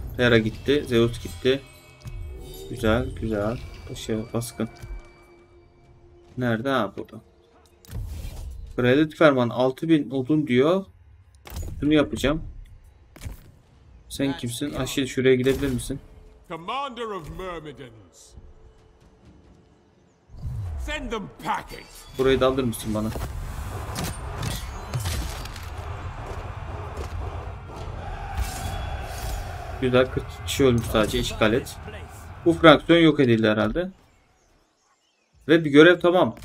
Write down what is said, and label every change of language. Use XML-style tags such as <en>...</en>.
<tr>Hera gitti, Zeus gitti. Güzel, güzel. Başa baskın. Nerede? Ha, burada. Kraliyet fermanı 6000 odun diyor. Bunu yapacağım. Sen kimsin? Aşil, şuraya gidebilir misin?</tr> <en>Commander of Myrmidons. Send them packing.</en> <tr>Burayı da alır mısın bana? Güzel, 40 kişi ölmüş sadece, işgal et. Bu fraksiyon yok edildi herhalde. Ve bir görev tamam.</tr>